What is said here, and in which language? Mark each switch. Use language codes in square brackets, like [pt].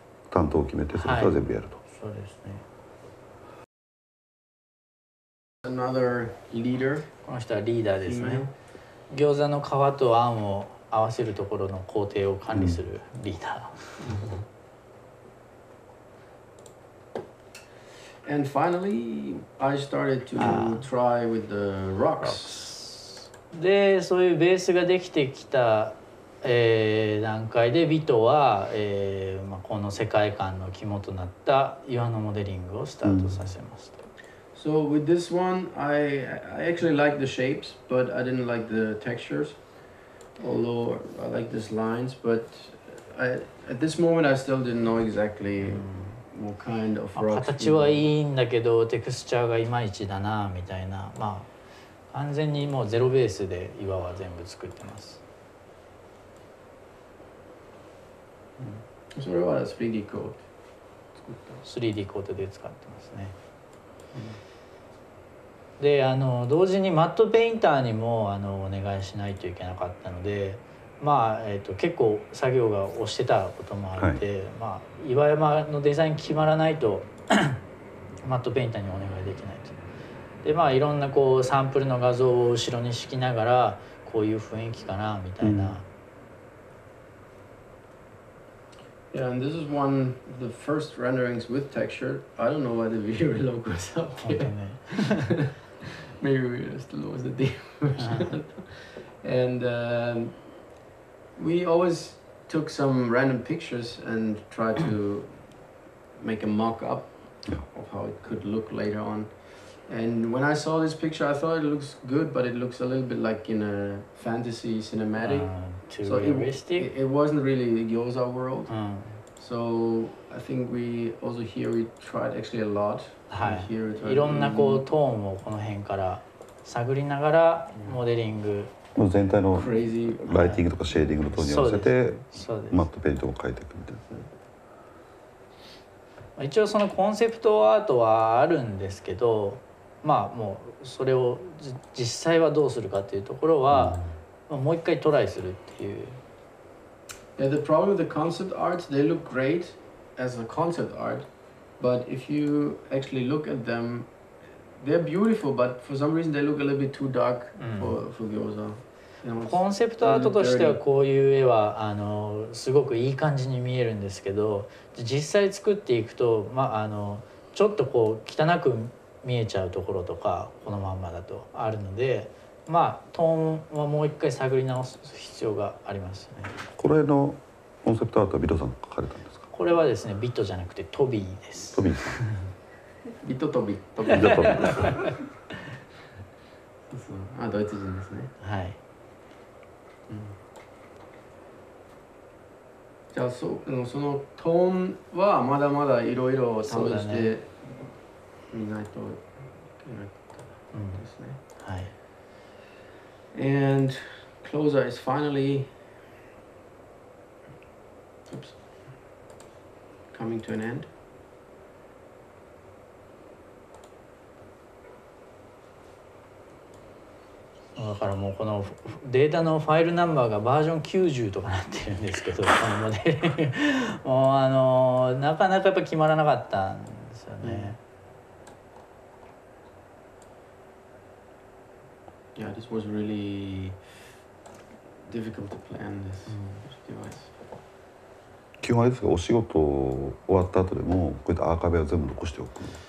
[ja] 担当を決めてそれから全部やると、はい。そうですね。 [en] Another leader、 [ja] この人はリーダーですね。餃子の皮と餡を合わせるところの工程を管理するリーダー。うん [en] And finally, I started to try with the rocks. [ja] で、そういうベースができてきた、段階で、ビトは、まあ、この世界観の肝となった岩のモデリングをスタートさせました。 [en] So with this one, I actually like the shapes, but I didn't like the textures. Although I like these lines, but at this moment, I still didn't know exactly. [ja] 形はいいんだけどテクスチャーがいまいちだなみたいな、まあ完全にもうゼロベースで岩は全部作ってます。それは 3D コート作った 3D コートで使ってますね。で同時にマットペインターにもお願いしないといけなかったので、まあ結構作業が押してたこともあって、はい、まあ、岩山のデザイン決まらないとマットペインターにお願いできないと。でまあいろんなこうサンプルの画像を後ろに敷きながらこういう雰囲気かなみたいな。 [en] Yeah, and this is one of the first renderings with texture. I don't know why the V-Ray logo is up here. Maybe we just lost the deep version. And we always took some random pictures and tried to make a mock-up of how it could look later on. And when I saw this picture, I thought it looks good, but it looks a little bit like in a fantasy cinematic. Too realistic? It wasn't really the Gyoza world. So I think we also here we tried actually a lot. [ja] いろんなこうトーンをこの辺から探りながらモデリング。もう全体のライティングとかシェーディングのトーンに合わせてマットペイントを描いていくみたいな。一応そのコンセプトアートはあるんですけど、まあもうそれを実際はどうするかっていうところは、もう一回トライするっていう。 [en] Yeah, the problem with the concept art, they look great as a concept art, but if you actually look at them, they're beautiful, but for some reason they look a little bit too dark for Gyoza. [ja] コンセプトアートとしてはこういう絵はあのすごくいい感じに見えるんですけど、実際作っていくと、まあ、あのちょっとこう汚く見えちゃうところとかこのまんまだとあるので、まあ、トーンはもう一回探り直す必要がありますね。これのコンセプトアートはビトさんが描かれたんですか？これはですね、ビトじゃなくてトビーです。トビーさん。ビトトビトビトトビそう、あ、ドイツ人ですね。はい、うん、じゃあ そのトーンはまだまだいろいろ試してみないといけないと思うんですね。はい。 [en] And closer is finally coming to an end. [ja] だからもうこのデータのファイルナンバーがバージョン90とかなってるんですけど、このモデル、もうあのなかなかやっぱ決まらなかったんですよね。 [en] Yeah, this was really difficult to plan this device. [ja] 基本あれですか、お仕事終わった後でもこういったアーカイブは全部残しておくんですか？